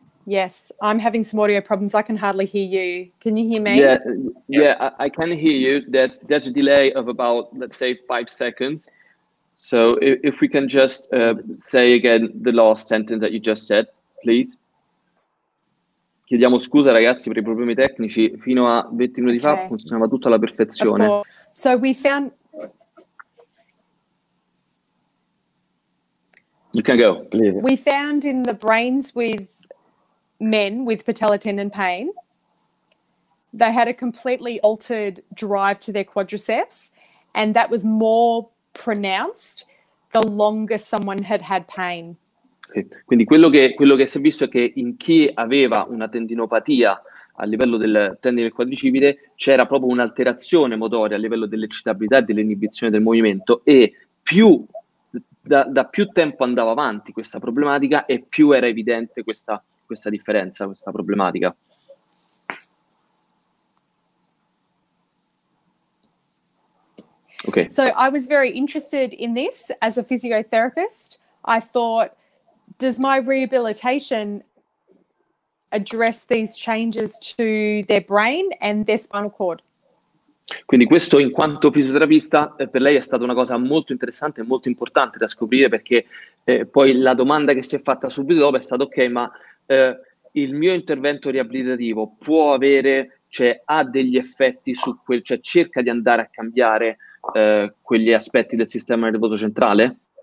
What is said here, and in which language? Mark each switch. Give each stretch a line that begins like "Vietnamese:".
English: Yes, I'm having some audio problems. I can hardly hear you. Can you hear me? Yeah, I can hear you. There's a delay of about, let's say, 5 seconds. So if we can just say again the last sentence that you just said, please.
Italian: Chiediamo scusa, ragazzi, per i problemi tecnici. Fino a 20 minuti fa funzionava tutto alla perfezione.
English: So we found... You can go. Please. We found in the brains with men with patellar tendon pain, they had a completely altered drive to their quadriceps, and that was more pronounced the longer someone had had pain. Okay.
Italian: Quindi quello che si è visto è che in chi aveva una tendinopatia a livello del tendine del quadricipite c'era proprio un'alterazione motoria a livello dell'eccitabilità e dell'inibizione del movimento, e più da più tempo andava avanti questa problematica e più era evidente questa differenza, questa problematica. Okay.
English: So I was very interested in this as a physiotherapist. I thought, does my rehabilitation address these changes to their brain and their spinal cord?
Italian: Quindi questo, in quanto fisioterapista, per lei è stata una cosa molto interessante e molto importante da scoprire, perché poi la domanda che si è fatta subito dopo è stata: ok, ma il mio intervento riabilitativo può avere, cioè ha degli effetti su quel, cioè cerca di andare a cambiare quegli aspetti del sistema nervoso centrale?